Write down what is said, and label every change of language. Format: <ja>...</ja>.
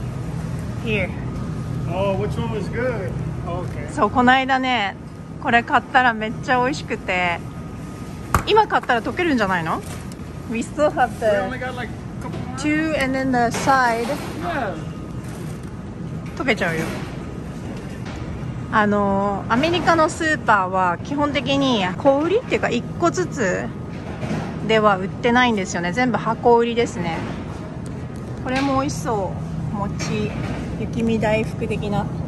<en>Which one was good? Okay.</en> <ja>そう、この間ね、これ買ったらめっちゃ美味しくて、今買ったら溶けるんじゃないの？</ja> <en>We still have the two and then the side. Yeah.</en> <ja>溶けちゃうよ。アメリカのスーパーは基本的に小売りっていうか1個ずつでは売ってないんですよね。全部箱売りですね。これも美味しそう。餅、雪見大福的な。</ja>